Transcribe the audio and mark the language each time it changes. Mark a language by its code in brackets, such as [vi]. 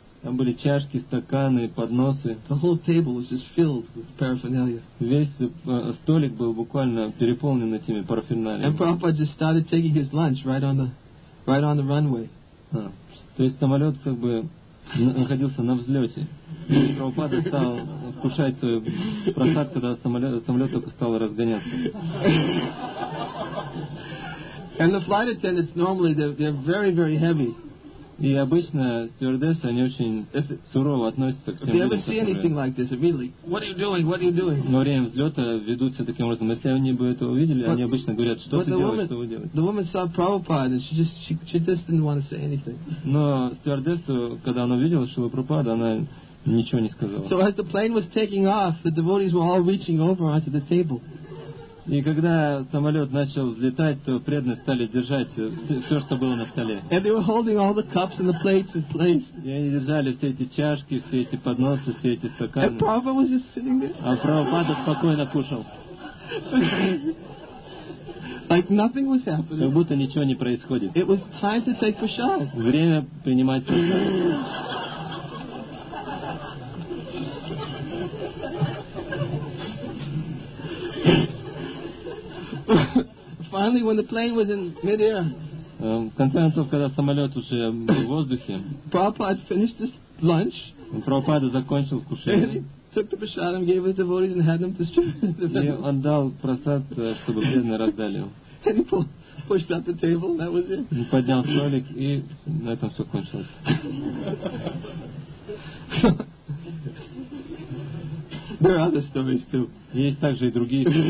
[ru] Там были чашки, стаканы, подносы. [en] The whole table was just filled with paraphernalia. [ru] Весь столик был буквально переполнен этими параферналиями. [en] And Prabhupada just started taking his lunch right on the runway. [ru] То есть самолет как бы находился на взлете. Прабхупада стал кушать свой просад, когда самолет только стал разгоняться. [en] And the flight attendants normally they're very very heavy. [ru] И обычно стюардессы они очень сурово относятся к тем людям. [en] If they ever see anything like this, really, what are you doing? What are you doing? [ru] Во время взлета ведут себя таким образом. Если они бы это увидели, они обычно говорят, что ты делаешь, что вы делаете. [en] The woman saw Prabhupada and she just didn't want to say anything. [ru] Но стюардесса, когда она увидела, что вы Прабхупада, она ничего не сказала. [en] So as the plane was taking off, the devotees were all reaching over onto the table. [ru] И когда самолет начал взлетать, то преданные стали держать все, что было на столе. [en] And they were holding all the cups and the plates in place. [ru] И они держали все эти чашки, все эти подносы, все эти стаканы. [en] And Prabhupada was just sitting there. [ru] А Прабхупада спокойно кушал. [en] Like nothing was happening. [ru] Как будто ничего не происходит. [en] It was time to take prasad. [ru] Время принимать прасад. [en] Finally, when the plane was in mid-air, [ru] когда самолет уже был в воздухе, [en] Prabhupada finished his lunch. [ru] Prabhupada закончил кушать. [en] Took the prasad and gave it to the devotees and had them distribute. [ru] И он дал просад, чтобы преданные раздали. [en] And he pushed out the table. That was it. [ru] Поднял столик и на этом все кончилось. [en] There are other stories too. [ru] Есть также и другие.